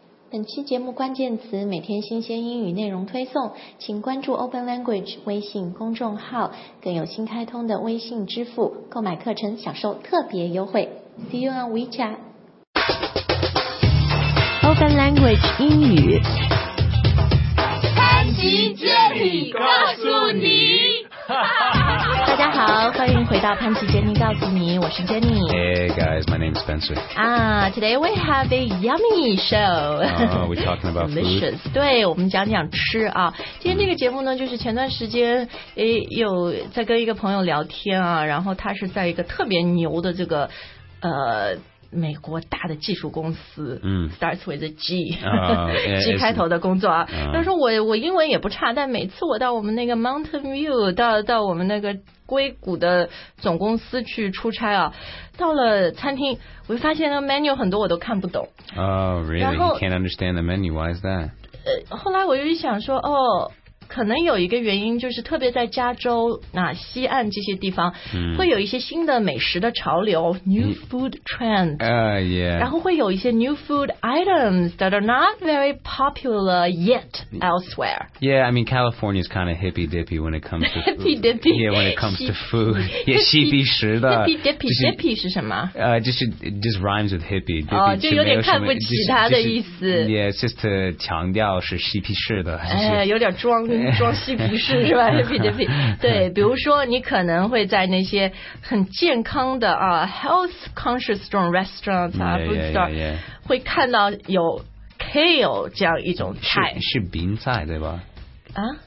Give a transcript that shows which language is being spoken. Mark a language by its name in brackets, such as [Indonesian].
[Chinese] 本期节目关键词每天新鲜英语内容推送，请关注 Open Language 微信公众号，更有新开通的微信支付购买课程，享受特别优惠。 [English] See you on WeChat. [Chinese] Open Language 英语，潘吉杰里告诉你。大家好，欢迎回到潘吉杰尼告诉你，我是 Jenny。 [English] Hey guys, my name is Spencer. Today we have a yummy show. We're talking about delicious. [Chinese] 对，我们讲讲吃啊。今天这个节目呢，就是前段时间有在跟一个朋友聊天啊，然后他是在一个特别牛的这个美国大的技术公司， [English] starts with a G, [Chinese] G 开头的工作啊。他说我英文也不差，但每次我到我们那个 Mountain View, 到我们那个硅谷的总公司去出差啊，到了餐厅，我发现那个 menu 很多我都看不懂。 [English] Really? You can't understand the menu. Why is that? [Chinese] 后来我就想说，哦，可能有一个原因，就是特别在加州那西岸这些地方，会有一些新的美食的潮流 ， [English] new food trend。 [Chinese] 然后会有一些 [English] new food items that are not very popular yet elsewhere. Yeah, I mean California is kind of hippy dippy when it comes to hippy dippy. Yeah, when it comes to food, yeah, [Chinese] 西皮食的 [English] hippy dippy. Dippy [Chinese] 是什么？ [English] Just rhymes with hippy. [Chinese] 哦，就有点看不起他的意思。 [English] Yeah, it's just to [Chinese] 强调是西皮食的。哎，有点装。装嬉皮士是吧？对对对，对，比如说你可能会在那些很健康的啊 ， [English] health conscious strong restaurants [Chinese] 啊 ，food store， 会看到有 kale 这样一种菜，是芹菜对吧？啊。